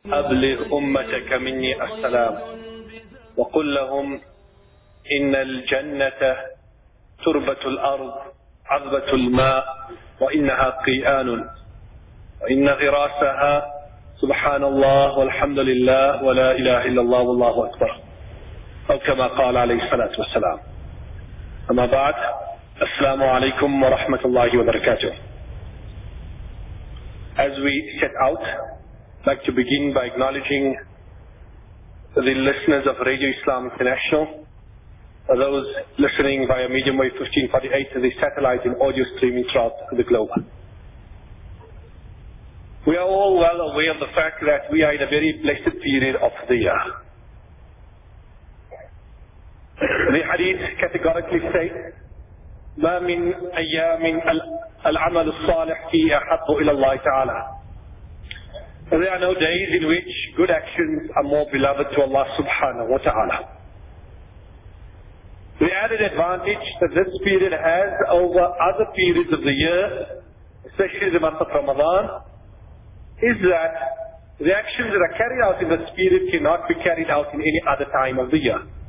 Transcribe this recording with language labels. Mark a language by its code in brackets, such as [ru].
[ar] أبلغ أمتك مني السلام وقل لهم إن الجنة تربة الأرض عذبة الماء وإنها قيآن وإن غراسها سبحان الله والحمد لله ولا إله إلا الله والله أكبر أو كما قال عليه الصلاة والسلام. أما بعد، السلام عليكم ورحمة الله وبركاته. [en] As we set out, I'd like to begin by acknowledging the listeners of Radio Islam International, those listening via Medium Wave 1548 and the satellite and audio streaming throughout the globe. We are all well aware of the fact that we are in a very blessed period of the year. The hadith categorically states, [ar] مَا مِنْ أَيَّامٍ الْعَمَلُ الصَّالِحْ فِي أَحَبُّ إِلَى اللَّهِ تَعَالَى. [en] There are no days in which good actions are more beloved to Allah subhanahu wa ta'ala. The added advantage that this period has over other periods of the year, especially the month of Ramadan, is that the actions that are carried out in this period cannot be carried out in any other time of the year.